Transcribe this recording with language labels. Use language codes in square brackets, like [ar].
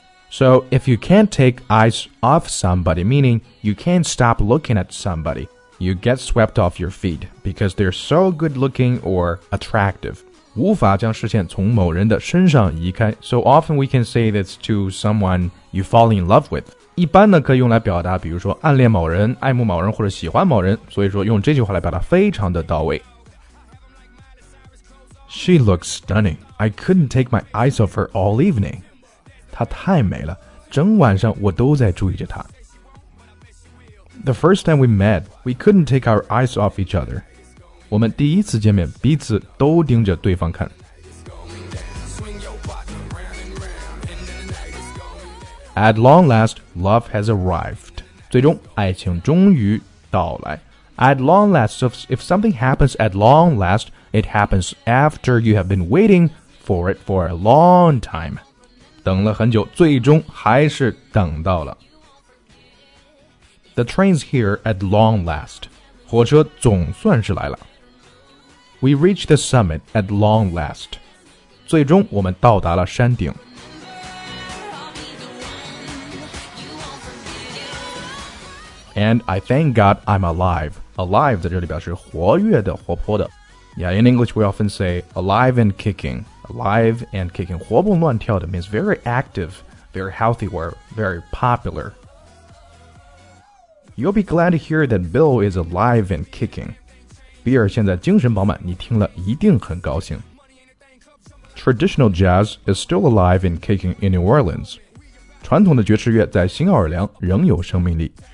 [en] So if you can't take eyes off somebody, meaning you can't stop looking at somebody. You get swept off your feet because they're so good-looking or attractive. [zh] 无法将视线从某人的身上移开。 [en] So often we can say this to someone you fall in love with. [zh] 一般呢可以用来表达比如说暗恋某人、爱慕某人或者喜欢某人。所以说用这句话来表达非常的到位。 [en] She looks stunning. I couldn't take my eyes off her all evening. [zh] 她太美了，整晚上我都在注意着她。 [en] The first time we met, we couldn't take our eyes off each other. [zh] 我们第一次见面，彼此都盯着对方看。 [en] At long last, love has arrived. [zh] 最终，爱情终于到来。 [en] At long last, so if something happens at long last, it happens after you have been waiting for it for a long time. [zh] 等了很久，最终还是等到了。 [en] The train's here at long last. [zh] 火车总算是来了。 [en] We reached the summit at long last. [zh] 最终我们到达了山顶。 [en] And I thank God I'm alive. Alive [zh] 在这里表示活跃的活泼的。 [en] Yeah, in English, we often say alive and kicking. Alive and kicking. [zh] 活蹦乱跳的 [en] means very active, very healthy, or very popular. You'll be glad to hear that Bill is alive and kicking. [zh] 比尔现在精神饱满，你听了一定很高兴。 [en] Traditional jazz is still alive and kicking in New Orleans. [zh] 传统的爵士乐在新奥尔良仍有生命力。